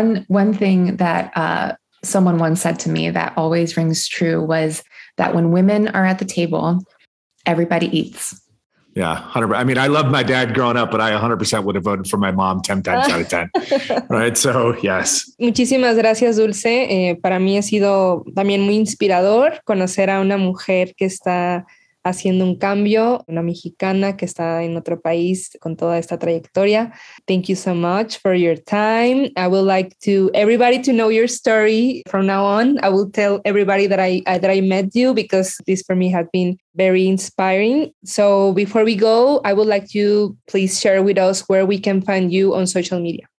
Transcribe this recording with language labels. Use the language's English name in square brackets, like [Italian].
[English] one thing that someone once said to me that always rings true was that when women are at the table, everybody eats. Yeah, 100%. I mean, I loved my dad growing up, but I 100% would have voted for my mom 10 times out of 10. Right? So, yes. [Spanish] Muchísimas gracias, Dulce. Para mí ha sido también muy inspirador conocer a una mujer que está haciendo un cambio, una mexicana que está en otro país con toda esta trayectoria. [English] Thank you so much for your time. I would like to everybody to know your story from now on. I will tell everybody that I met you, because this for me has been very inspiring. So before we go, I would like you please share with us where we can find you on social media.